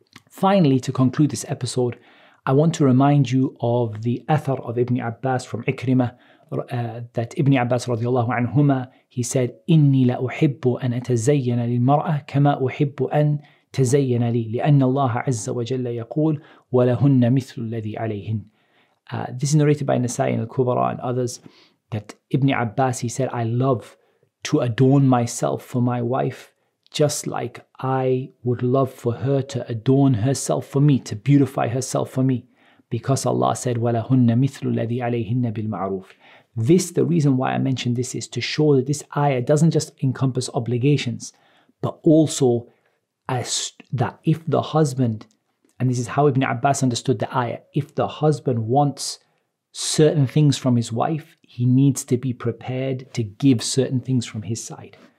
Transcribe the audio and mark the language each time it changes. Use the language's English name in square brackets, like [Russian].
[English] Finally, to conclude this episode, I want to remind you of the athar of Ibn Abbas from Ikrimah, that Ibn Abbas radiallahu anhumah, he said, [Arabic] إِنِّي لَأُحِبُّ أَنْ أَتَزَيَّنَ لِلْمَرْأَةِ كَمَا أُحِبُّ أَنْ تَزَيَّنَ لِي لِأَنَّ اللَّهَ عَزَّ وَجَلَّ يَقُولُ وَلَهُنَّ مِثْلُ الَّذِي عَلَيْهِنْ. [English] This is narrated by Nasa'i and Al-Kubara and others, that Ibn Abbas, he said, I love to adorn myself for my wife just like I would love for her to adorn herself for me, to beautify herself for me. because Allah said, [Arabic] وَلَهُنَّ مِثْلُ الَّذِي عَلَيْهِنَّ بِالْمَعْرُوفِ. [English] This, the reason why I mentioned this is to show that this ayah doesn't just encompass obligations, but also as that if the husband, and this is how Ibn Abbas understood the ayah, if the husband wants certain things from his wife, he needs to be prepared to give certain things from his side.